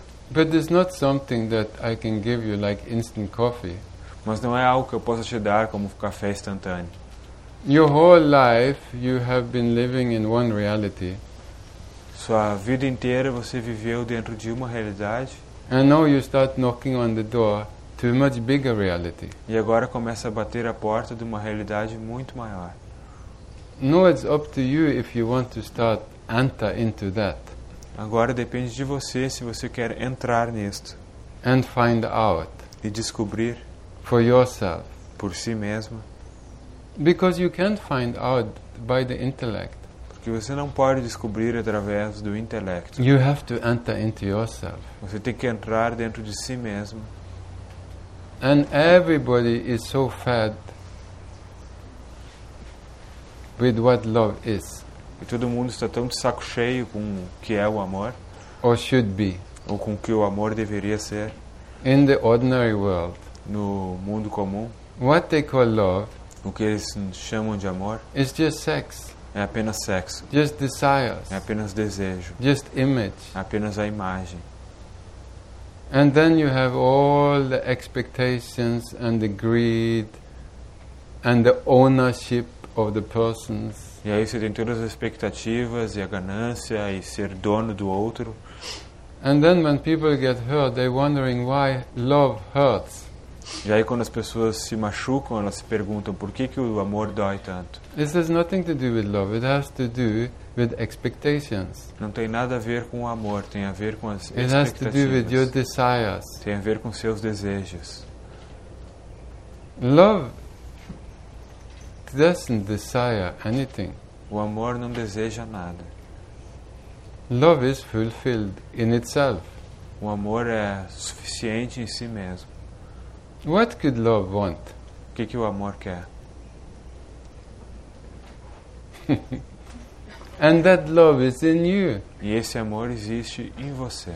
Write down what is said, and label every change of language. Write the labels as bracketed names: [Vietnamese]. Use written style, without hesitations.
[English] But it's not something that I can give you like instant coffee. [Portuguese] Mas não é algo que eu possa te dar como café instantâneo. [English] Your whole life you have been living in one reality. [Portuguese] Sua vida inteira você viveu dentro de uma realidade. [English] And now you start knocking on the door to a much bigger reality. [Portuguese] E agora começa a bater a porta de uma realidade muito maior. [English] No, it's up to you if you want to start enter into that. [Portuguese] Agora depende de você se você quer entrar nisto. [English] And find out. [Portuguese] E descobrir. [English] For yourself. [Portuguese] Por si mesmo. [English] Because you can't find out by the intellect. [Portuguese] Porque você não pode descobrir através do intelecto. [English] You have to enter into yourself. [Portuguese] Você tem que entrar dentro de si mesmo. [English] And everybody is so fed with what love is. [Portuguese] E todo mundo está tão de saco cheio com o que é o amor. [English] Or should be. [Portuguese] Ou com o que o amor deveria ser. [English] In the ordinary world. [Portuguese] No mundo comum. [English] What they call love. [Portuguese] O que eles chamam de amor. [English] Is just sex. [Portuguese] É apenas sexo. [English] Just desires. [Portuguese] É apenas desejo. [English] Just image. [Portuguese] É apenas a imagem. [English] And then you have all the expectations and the greed and the ownership of the persons. [Portuguese] E aí você tem todas as expectativas e a ganância e ser dono do outro. [English] And then when people get hurt, they're wondering why love hurts. [Portuguese] E aí quando as pessoas se machucam, elas se perguntam por que que o amor dói tanto. [English] This has nothing to do with love. It has to do with expectations. [Portuguese] Não tem nada a ver com o amor, tem a ver com as expectativas. [English] It has to do with your desires. [Portuguese] Tem a ver com seus desejos. [English] Love doesn't desire anything. [Portuguese] O amor não deseja nada. [English] Love is fulfilled in itself. [Portuguese] O amor é suficiente em si mesmo. [English] What could love want? [Portuguese] Que o amor quer? [English] And that love is in you. [Portuguese] E esse amor existe em você.